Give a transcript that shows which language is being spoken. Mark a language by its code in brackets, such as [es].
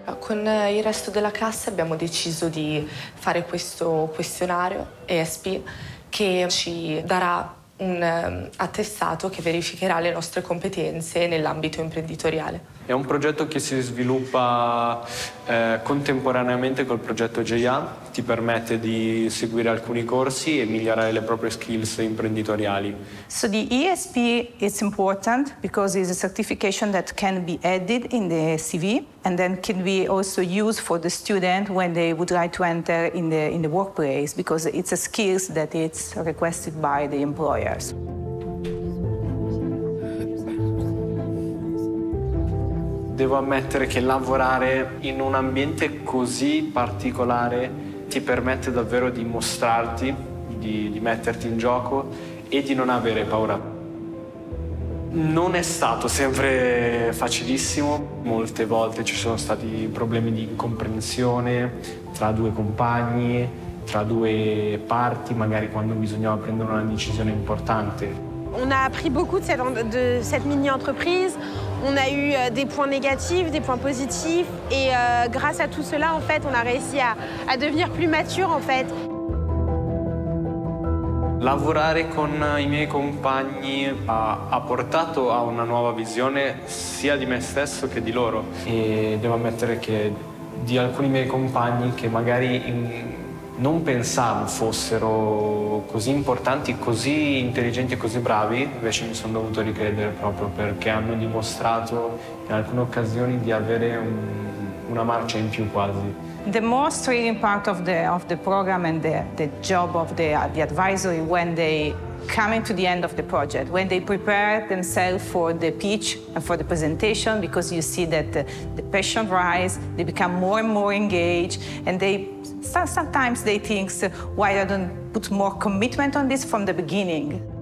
[it] Il resto della classe abbiamo deciso di fare questo questionario ESP che ci darà un attestato che verificherà le nostre competenze nell'ambito imprenditoriale. È un progetto che si sviluppa contemporaneamente col progetto GIA, ti permette di seguire alcuni corsi e migliorare le proprie skills imprenditoriali. [en] So the ESP is important because it's a certification that can be added in the CV and then can be also used for the student when they would like to enter in the workplace, because it's a skills that it's requested by the employers. [it] Devo ammettere che lavorare in un ambiente così particolare ti permette davvero di mostrarti, di metterti in gioco e di non avere paura. Non è stato sempre facilissimo. Molte volte ci sono stati problemi di incomprensione tra due compagni, tra due parti, magari quando bisognava prendere una decisione importante. [fr] On a appris beaucoup de cette mini-entreprise. On a eu des points négatifs, des points positifs. Et grâce à tout cela, en fait, on a réussi à devenir plus mature, en fait. [it] Lavorare con i miei compagni ha portato a una nuova visione sia di me stesso che di loro. E devo ammettere che di alcuni miei compagni che magari non pensavo fossero così importanti, così intelligenti e così bravi, invece mi sono dovuto ricredere proprio perché hanno dimostrato in alcune occasioni di avere una marcia in più quasi. [en] The most thrilling part of the program and the job of the advisory when they come to the end of the project, when they prepare themselves for the pitch and for the presentation, because you see that the passion rise, they become more and more engaged, and they sometimes they think, why I don't put more commitment on this from the beginning.